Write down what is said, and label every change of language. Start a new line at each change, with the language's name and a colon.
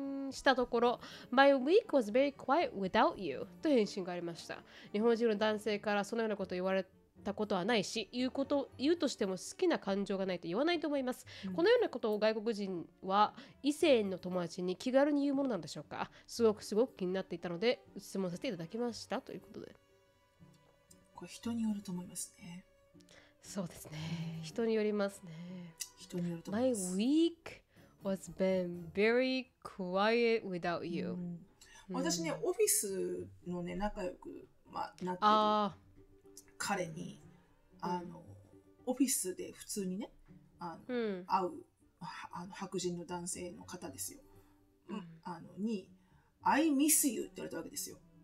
Japanese: したところ
English: My week was very quiet without you
Japanese: と返信がありました日本人の男性からそのようなことを言われたことはないし言うとしても好きな感情がないと言わないと思います、うん、このようなことを外国人は異性の友達に気軽に言うものなんでしょうかすごく気になっていたので質問させていただきましたということでこれ人によると思いますねそうですね人によりますね人によると思います
English: My week was been very quiet without you、
Japanese: うん、私ね、うん、オフィスのね仲良く、まあ、なってる彼にあの、うん、オフィスで普通にねあの、うん、会うあの白人の男性の方ですよ、うん、あのに
English: I miss you
Japanese: って言われたわけですよ、